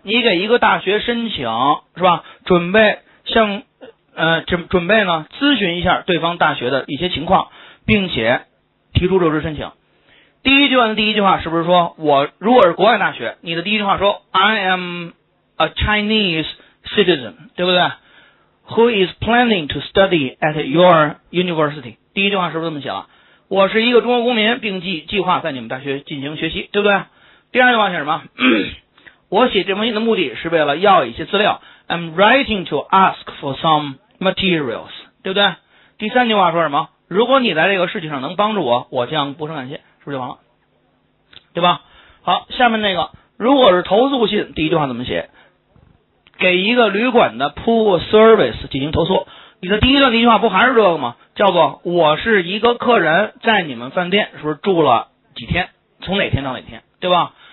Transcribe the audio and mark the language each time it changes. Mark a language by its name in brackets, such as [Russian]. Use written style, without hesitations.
[Chinese] 你给一个大学申请是吧？准备向准备呢咨询一下对方大学的一些情况，并且提出就职申请。第一句话的第一句话是不是说，我如果是国外大学，你的第一句话说 [English] I am a Chinese citizen， [Chinese] 对不对？ [English] Who is planning to study at your university？ [Chinese] 第一句话是不是这么写了？我是一个中国公民，并计划在你们大学进行学习，对不对？第二句话写什么？我写这封信的目的是为了要一些资料。 [English] I'm writing to ask for some materials， [Chinese] 对不对？第三句话说什么？如果你在这个事情上能帮助我，我将不胜感谢，是不是就完了，对吧？好，下面那个，如果是投诉信，第一句话怎么写？给一个旅馆的 [English] pool service [Chinese] 进行投诉，你的第一段第一句话不还是这个吗？叫做我是一个客人，在你们饭店是不是住了几天，从哪天到哪天，对吧？